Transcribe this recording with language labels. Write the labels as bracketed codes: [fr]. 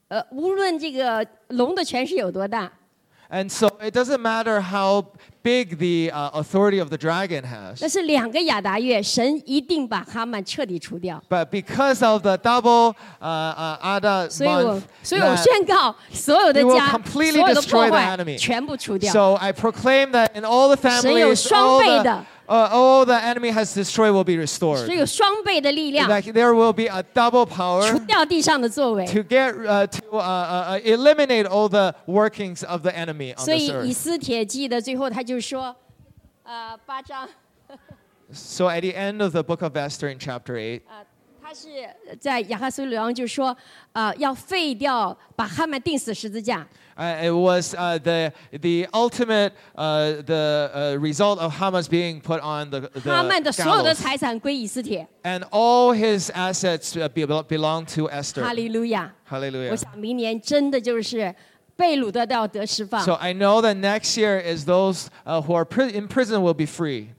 [zh] 无论这个龙的权势有多大。 [en] And so it doesn't matter how big the authority of the dragon has. [zh] 但是两个亚达月，神一定把哈曼彻底除掉。 [en] But because of the double Adar month, [zh] 所以我宣告所有的家，所有的破坏全部除掉。 [en] So I proclaim that in all the families, [zh] 神有双倍的。 [en] All the enemy has destroyed will be restored. [zh] 所以有双倍的力量。 [en] Like there will be a double power. [zh] 除掉地上的作为。 [en] To get eliminate all the workings of the enemy on this earth. [zh] 所以以斯帖记的最后他就说，八章。 [en] So at the end of the book of Esther in chapter 8. [zh] 他是在亚哈斯鲁王就说，要废掉把哈曼钉死十字架。 [en] It was the ultimate result of Haman's being put on the gallows. And all his assets belong to Esther. Hallelujah. Hallelujah. So I know that next year is those who are in prison will be free.